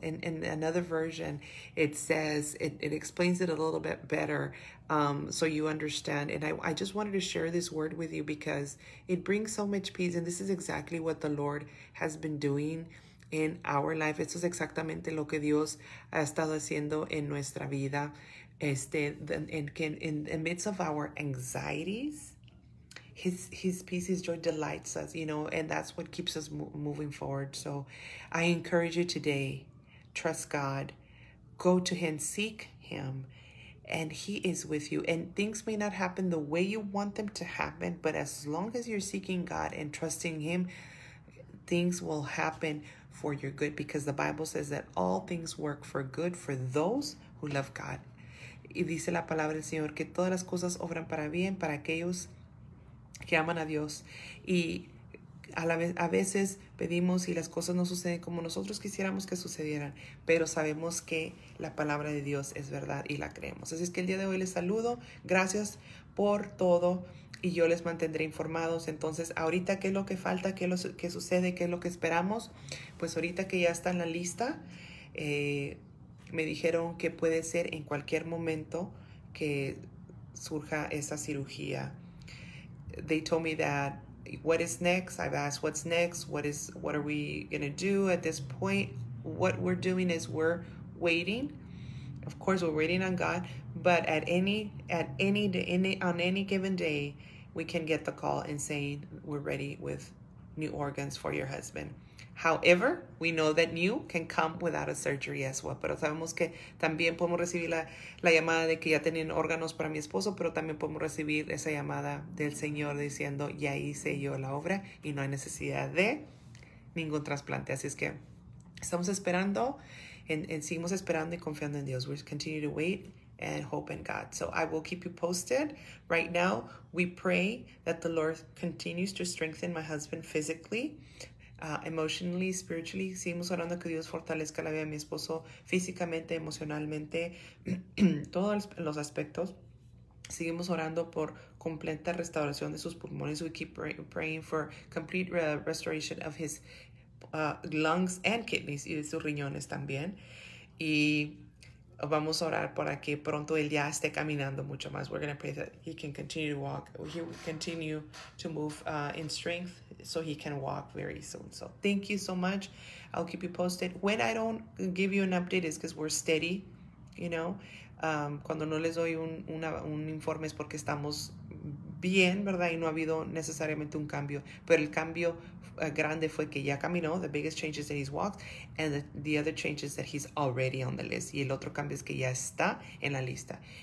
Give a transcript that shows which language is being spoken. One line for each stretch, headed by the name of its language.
English: And in another version, it says, it explains it a little bit better, so you understand. And I just wanted to share this word with you, because it brings so much peace. And this is exactly what the Lord has been doing in our life.
Spanish: Esto es exactamente lo que Dios ha estado haciendo en nuestra vida.
English: In the midst of our anxieties, his peace, his joy delights us, you know, and that's what keeps us moving forward. So I encourage you today, trust God, go to him, seek him, and he is with you. And things may not happen the way you want them to happen, but as long as you're seeking God and trusting him, things will happen for your good, because the Bible says that all things work for good for those who love God.
Spanish: Y dice la palabra del Señor que todas las cosas obran para bien para aquellos que aman a Dios. Y a veces pedimos y las cosas no suceden como nosotros quisiéramos que sucedieran, pero sabemos que la palabra de Dios es verdad y la creemos. Así es que el día de hoy les saludo. Gracias por todo y yo les mantendré informados. Entonces, ahorita, ¿qué es lo que falta? ¿Qué es lo que sucede? ¿Qué es lo que esperamos? Pues ahorita que ya está en la lista, me dijeron que puede ser en cualquier momento que surja esa cirugía.
English: They told me that what is next? I've asked what's next? What are we going to do at this point? What we're doing is we're waiting. Of course, we're waiting on God, but on any given day, we can get the call and saying we're ready with new organs for your husband. However, we know that new can come without a surgery as well.
Spanish: Pero sabemos que también podemos recibir la llamada de que ya tienen órganos para mi esposo, pero también podemos recibir esa llamada del Señor diciendo, ya hice yo la obra y no hay necesidad de ningún trasplante. Así es que estamos esperando, and seguimos esperando y confiando en Dios.
English: We continue to wait and hope in God. So I will keep you posted. Right now, we pray that the Lord continues to strengthen my husband physically, emotionally, spiritually.
Spanish: Seguimos orando que Dios fortalezca la vida de mi esposo físicamente, emocionalmente, todos los aspectos. Seguimos orando por completa restauración de sus pulmones.
English: We keep praying for complete restoration of his lungs and kidneys,
Spanish: y de sus riñones también. Y vamos a orar para que pronto él ya esté caminando mucho más.
English: We're going to pray that he can continue to walk. He will continue to move in strength so he can walk very soon. So thank you so much. I'll keep you posted. When I don't give you an update is because we're steady, you know.
Spanish: Cuando no les doy un informe es porque estamos bien, ¿verdad? Y no ha habido necesariamente un cambio. Pero el cambio grande fue que ya caminó.
English: The biggest change is that he's walked. And the other change is that he's already on the list.
Spanish: Y el otro cambio es que ya está en la lista.